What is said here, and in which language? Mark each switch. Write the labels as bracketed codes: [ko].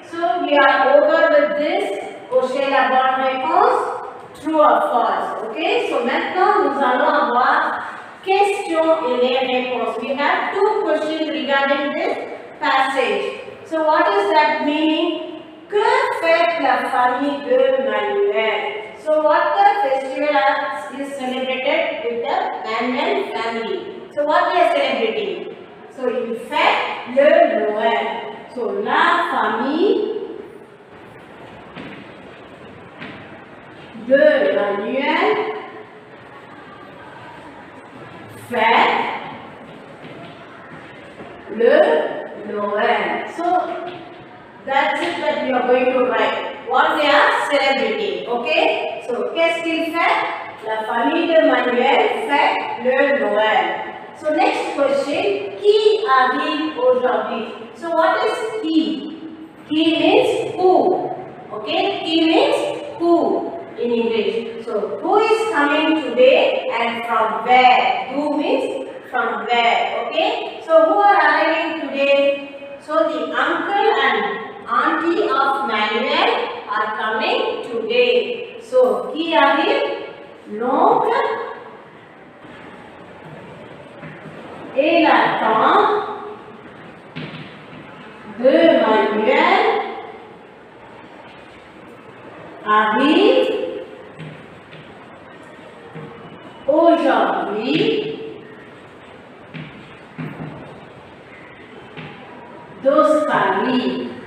[en] So we are over with this question about réponse. True or false. Okay. [fr] So maintenant nous allons avoir question et les réponses. [en] We have 2 questions regarding this passage. So what is that meaning? [fr] Que fait la famille de Manuel? [en] So what the festival is celebrated with the Manuel family? So what they are celebrating? So in fact, le Noël. [fr] So la famille de Manuel fait le Noël. [en] So that's it that you are going to write. What they are celebrating. Okay? So [fr] qu'est-ce qu'il fait? La famille de Manuel fait le Noël. [en] So next question, [fr] qui arrive aujourd'hui? [en] So what is qui? Qui means who? Okay, qui means who in English? So who is coming today and from where? Who means from where? Okay, so who are arriving today? So the uncle and auntie of Manuel are coming today. [fr] So qui arrive? L'oncle et la tante de Manuel arrive aujourd'hui d'Australie.